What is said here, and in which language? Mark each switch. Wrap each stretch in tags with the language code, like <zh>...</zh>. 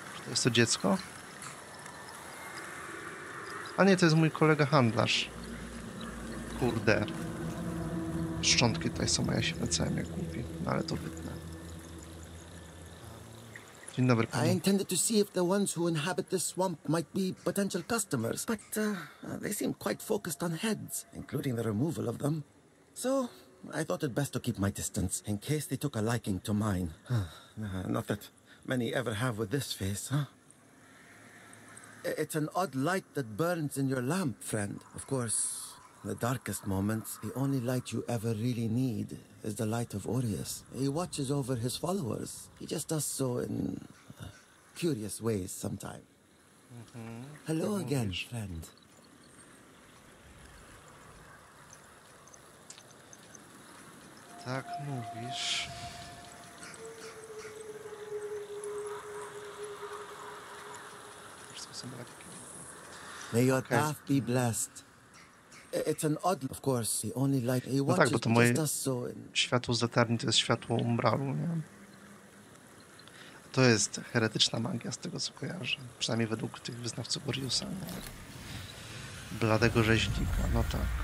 <pl>Jest to dziecko? A nie, to jest mój kolega handlarz. Kurde. Szczątki tutaj są, a ja się wracałem jak głupi. No ale to wytnę. Dzień dobry, panie.</pl> <en>I intended to see if the ones who inhabit this swamp might be potential customers, but they seem quite focused on heads, including the removal of them. So I thought it best to keep my distance in case they took a liking to mine. Not that many ever have with this face, huh? It's an odd light that burns in your lamp, friend. Of course, in the darkest moments, the only light you ever really need is the light of Aureus. He watches over his followers. He just does so in curious ways sometimes. Mm-hmm. Hello again, friend.</en> <pl>Tak mówisz.</pl> <en>May your path be blessed. It's an odd, of course, the only light he watches.</en> <pl>No tak, bo to moje światło z latarni to jest światło Umbralu, nie? To jest heretyczna magia, z tego co kojarzę. Przynajmniej według tych wyznawców Oriusa, nie? Bladego rzeźnika, no tak.</pl>